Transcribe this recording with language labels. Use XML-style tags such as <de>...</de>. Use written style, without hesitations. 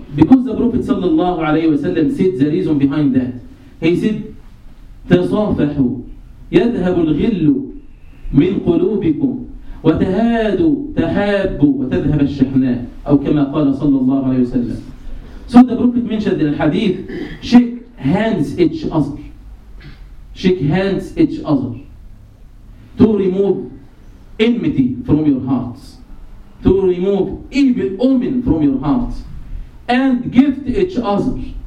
<en>Because the Prophet sallallahu alayhi wa sallam said the reason behind that. He said,</en> <ar>تصافحوا يذهب الغل من قلوبكم وتهادوا تحابوا وتذهب الشحناء. أو كما قال صلى الله عليه وسلم.</ar> <en>So the Prophet mentioned in the hadith, shake hands each other. Shake hands each other. To remove enmity from your hearts. To remove evil omen from your hearts. And gift each other.</en>